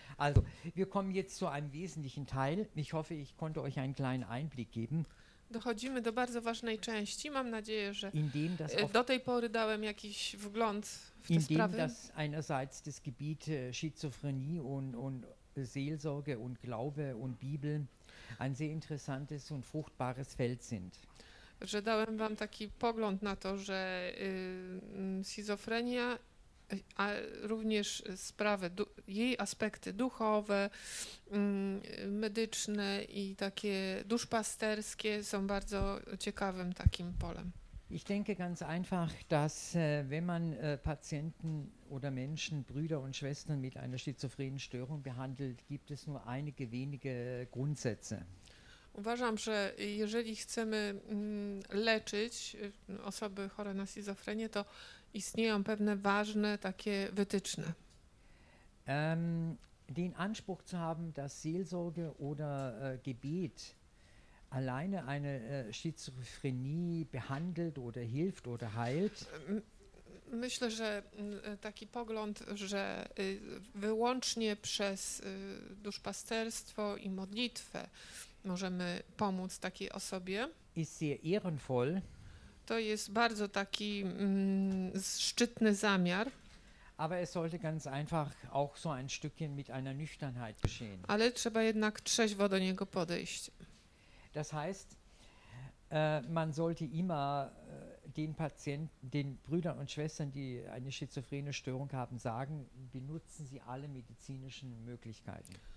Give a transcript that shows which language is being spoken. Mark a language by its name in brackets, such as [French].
[German] Also, wir kommen jetzt zu einem wesentlichen Teil. Ich hoffe, ich konnte euch einen kleinen Einblick geben. [Polish] Dochodzimy do bardzo ważnej części. Mam nadzieję, że do tej pory dałem jakiś wgląd w te sprawy. [German] In dem das einerseits das Gebiet Schizophrenie und Seelsorge und Glaube und Bibel ein sehr interessantes und fruchtbares Feld sind. [Polish] Że dałem wam taki pogląd na to, że schizofrenia, a również sprawy, jej aspekty duchowe, medyczne i takie duszpasterskie są bardzo ciekawym takim polem. [German] Ich denke ganz einfach, dass wenn man Patienten oder Menschen, Brüder und Schwestern mit einer schizophrenen Störung behandelt, gibt es nur einige wenige Grundsätze. [Polish] Uważam, że jeżeli chcemy leczyć osoby chore na schizofrenię, to istnieją pewne ważne takie wytyczne. [German] Den Anspruch zu haben, dass Seelsorge oder Gebet alleine eine Schizophrenie behandelt oder hilft oder heilt. [Polish] Myślę, że taki pogląd, że wyłącznie przez duszpasterstwo i modlitwę możemy pomóc takiej osobie. [German] Ist sehr ehrenvoll. [Polish] To jest bardzo taki szczytny zamiar. [German] Aber es sollte ganz einfach auch so ein Stückchen mit einer Nüchternheit geschehen. [Polish] Ale trzeba jednak trzeźwo do niego podejść. [German] Das heißt, man sollte immer den Patienten, den Brüdern und Schwestern, die eine schizophrene Störung haben, sagen, benutzen Sie alle medizinischen Möglichkeiten.